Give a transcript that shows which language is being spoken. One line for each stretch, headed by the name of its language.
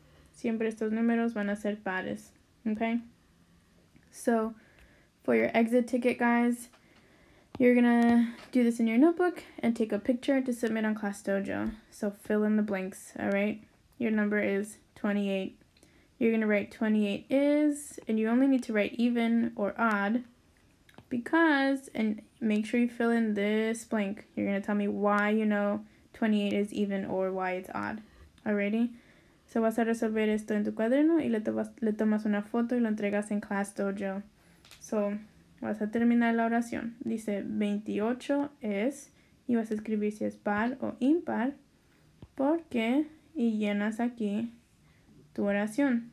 Spanish: Siempre estos números van a ser pares, okay?
English: So, for your exit ticket, guys, you're gonna do this in your notebook and take a picture to submit on ClassDojo. So, fill in the blanks, alright? Your number is 28. You're gonna write 28 is, and you only need to write even or odd because, and make sure you fill in this blank. You're gonna tell me why you know 28 is even or why it's odd, alrighty?
Spanish: So vas a resolver esto en tu cuaderno y le tomas una foto y lo entregas en ClassDojo. So vas a terminar la oración. Dice 28 es y vas a escribir si es par o impar porque y llenas aquí tu oración.